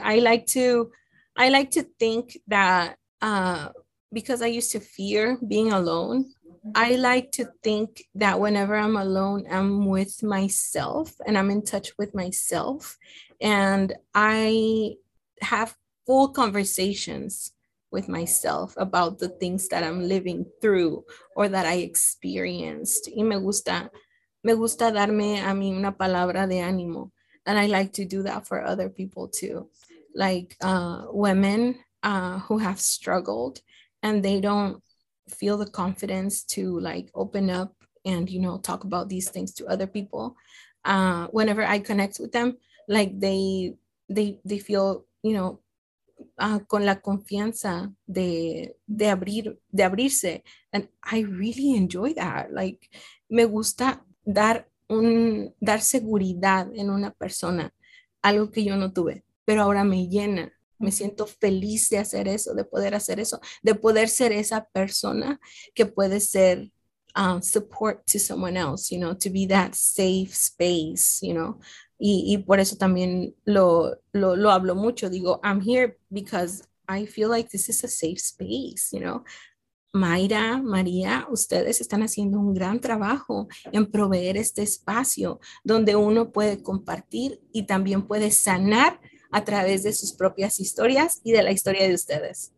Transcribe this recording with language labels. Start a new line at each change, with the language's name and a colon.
English: I like to think that because I used to fear being alone, I like to think that whenever I'm alone, I'm with myself and I'm in touch with myself and I have full conversations with myself about the things that I'm living through or that I experienced.
Spanish: Y me gusta darme a mí una palabra de ánimo.
English: And I like to do that for other people too. Like women who have struggled and they don't feel the confidence to like open up and, you know, talk about these things to other people. Whenever I connect with them, like they feel, you know,
Spanish: con la confianza de abrirse.
English: And I really enjoy that. Like,
Spanish: me gusta dar seguridad en una persona, algo que yo no tuve, pero ahora me llena. Me siento feliz de hacer eso, de poder hacer eso, de poder ser esa persona que puede ser
English: support to someone else, you know,
Spanish: to be that safe space, you know. Y por eso también lo hablo mucho. Digo,
English: I'm here because I feel like this is a safe space, you know.
Spanish: Mayra, María, ustedes están haciendo un gran trabajo en proveer este espacio donde uno puede compartir y también puede sanar a través de sus propias historias y de la historia de ustedes.